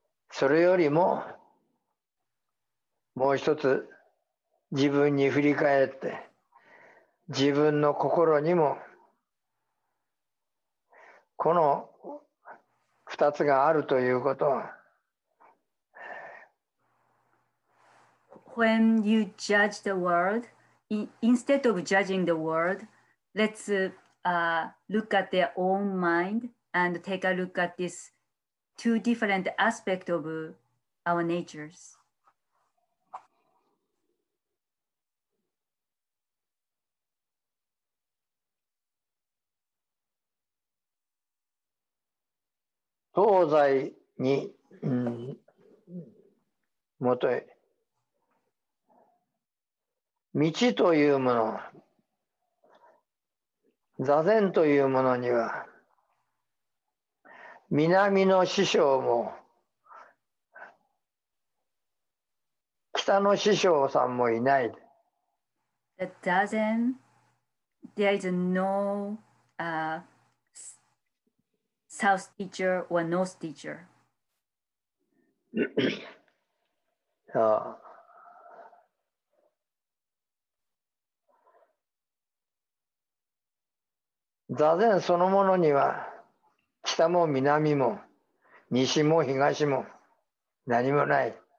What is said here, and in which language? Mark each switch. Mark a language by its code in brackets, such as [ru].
[ja] それよりも、もう一つ自分に振り返って、自分の心にも、この二つがあるということは。 [en] When you judge the world, instead of judging the world, let'slook at their own mind and take a look at these two different aspects of our natures. [ja] Tōzai ni motoe michi というもの座禅というものには南の師匠も北の師匠さんもいない。 [en] The Zazen, there is no south teacher or north teacher. [ja] ああ、座禅そのものには北も南も西も東も何もない。